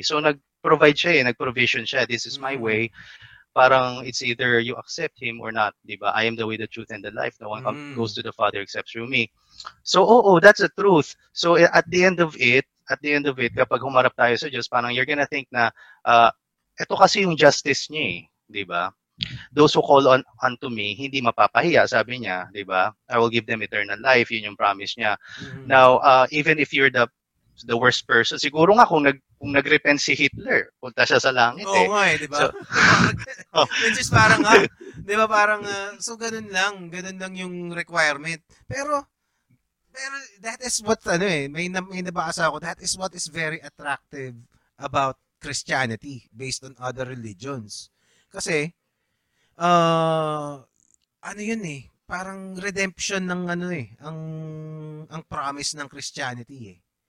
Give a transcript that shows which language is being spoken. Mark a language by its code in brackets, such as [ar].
[tl] So, nag-provide siya eh, nag-provision siya. [en] This is my way. Parang it's either you accept him or not, di ba? I am the way, the truth, and the life. No one goes to the Father except through me. [tl] So, [en] that's the truth. [tl] So, [en] at the end of it, [tl] kapag humarap tayo sa Diyos, parang [en] you're gonna think [tl] na, ito kasi yung justice niya eh, di ba? [en] Those who call on unto me, [tl] hindi mapapahiya, sabi niya, di ba? [en] I will give them eternal life, [tl] yun yung promise niya. [en] Now, even if you're the worst person, [tl] siguro nga kung nag-repent si Hitler, punta siya sa langit eh. Oo nga eh, di ba? So, which is parang, di ba parang, so ganun lang yung requirement. [en] Pero that is what, ano eh, [tl] may nabasa ako, [en] that is what is very attractive about Christianity based on other religions. [tl] Kasi, ano yun eh, parang redemption ng ano eh, ang promise ng Christianity eh.